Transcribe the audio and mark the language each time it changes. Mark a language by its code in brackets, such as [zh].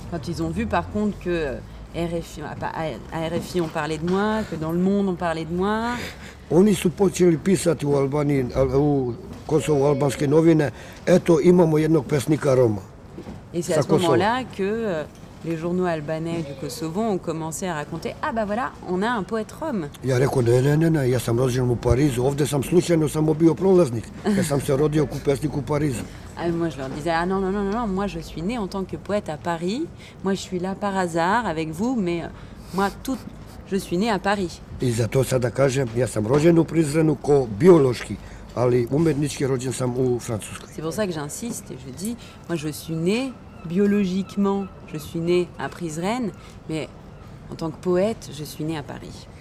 [fr] Quand ils ont vu par contre que RFI, à RFI on parlait de moi, que dans Le Monde on parlait de moi. [sr] Oni su počeli pisati u Albaniji, u Kosovo, albanske novine, eto imamo jednog pesnika Roma. [fr] Et c'est à ce moment-là que les journaux albanais du Kosovo ont commencé à raconter, ah bah voilà, on a un poète rome. [sr] Ja rekao, ne, ne, ne, ne, ja sam rođen u Parizu, ovde sam slučajno samo bio prolaznik, ja sam se rodio ku pesniku u Parizu. [fr] Ah, moi je leur disais, ah non, non, non, non, moi je suis né en tant que poète à Paris, moi je suis là par hasard avec vous, mais moi tout, je suis né à Paris. [sr] I zato sada kažem, ja sam rođen u Prizrenu ko biološki, ali umetnički rođen sam u Francuskoj. [fr] C'est pour ça que j'insiste et je dis, moi je suis né biologiquement, je suis né à Prizren, mais en tant que poète, je suis né à Paris.